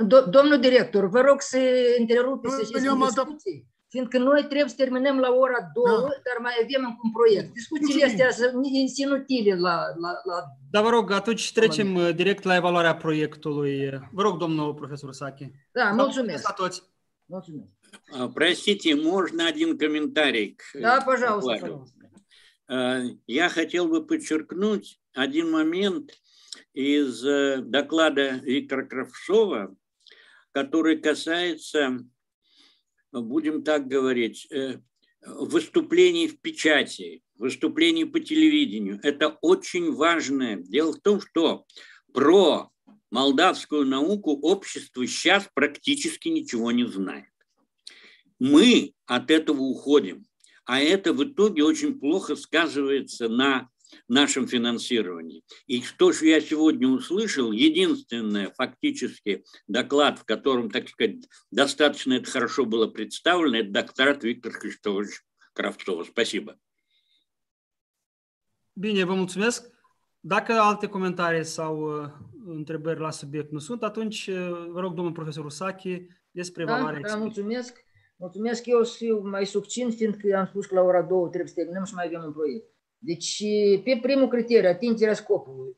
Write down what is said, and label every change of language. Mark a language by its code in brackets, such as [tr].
[ro] Domnul director, vă rog să întrerupeți și să discuți. Fiindcă noi trebuie să terminăm la ora 2, da, dar mai avem încă un proiect. Discuțiile astea sunt inutile la... Da, vă rog, atunci trecem direct la evaluarea proiectului. Vă rog, domnul profesor Sache. Da, mulțumesc. La toți. Mulțumesc. [ru] Простите, можно один комментарий? Да, пожалуйста. Я хотел бы подчеркнуть один момент из доклада Виктора Кравцова, который касается, будем так говорить, выступлений в печати, выступлений по телевидению. Это очень важное. Дело в том, что про молдавскую науку общество сейчас практически ничего не знает. Мы от этого уходим. А это в итоге очень плохо сказывается на нашем финансировании. И что же я сегодня услышал, единственный фактически доклад, в котором, так сказать, достаточно это хорошо было представлено, это докторат Виктор Христович Кравцова. Спасибо. [ro] Bine, vă mulțumesc. Dacă alte comentarii sau întrebări la subiect nu sunt, atunci vă rog, domnul profesor Usachi, despre evaluarea. Da, mulțumesc. Mulțumesc, eu să fiu mai succint, fiindcă am spus că la ora 2 trebuie să terminăm și mai avem un proiect. Deci, pe primul criteriu, atingerea scopului.